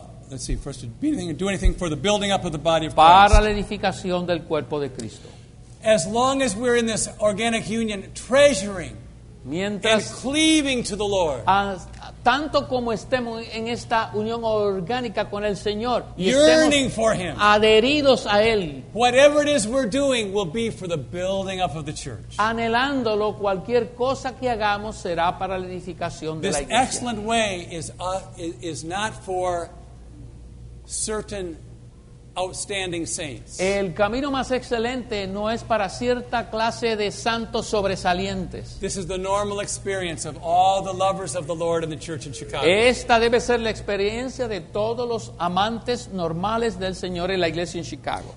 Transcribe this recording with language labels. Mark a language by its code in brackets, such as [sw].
[en] Let's see, first to be anything, do anything for the building up of the body of [es] para [en] Christ. [es] Para la edificación del cuerpo de Cristo. [en] As long as we're in this organic union, treasuring [es] mientras, [en] and cleaving to the Lord, [es] tanto como estemos en esta unión orgánica con el Señor, y [en] yearning for Him, [es] adheridos a Él, [en] whatever it is we're doing will be for the building up of the church. [es] Anhelándolo, cualquier cosa que hagamos será para la edificación [en] this [es] de la iglesia. [en] This excellent way is not for certain outstanding saints. [es] El camino más excelente no es para cierta clase de santos sobresalientes. [en] This is the normal experience of all the lovers of the Lord in the church in Chicago. [es] Esta debe ser la experiencia de todos los amantes normales del Señor en la iglesia en Chicago.